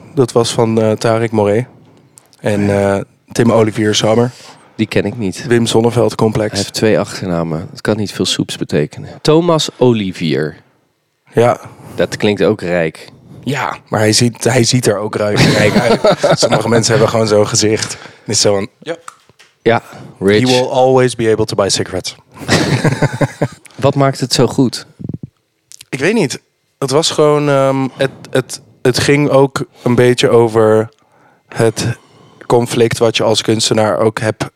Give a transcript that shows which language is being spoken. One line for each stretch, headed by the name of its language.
Dutch: Dat was van Tariq Moré. En Tim Olivier Sommer. Die ken ik niet. Wim Sonneveld Complex. Hij heeft 2 achternamen. Dat kan niet veel soeps betekenen. Thomas Olivier. Ja. Dat klinkt ook rijk. Ja, maar hij ziet er ook rijk uit. Sommige mensen hebben gewoon zo'n gezicht. Het is zo van, ja, rich.
English: He will always be able to buy cigarettes.
Dutch: Wat maakt het zo goed? Ik weet niet. Het was gewoon, het ging ook een beetje over het conflict wat je als kunstenaar ook hebt.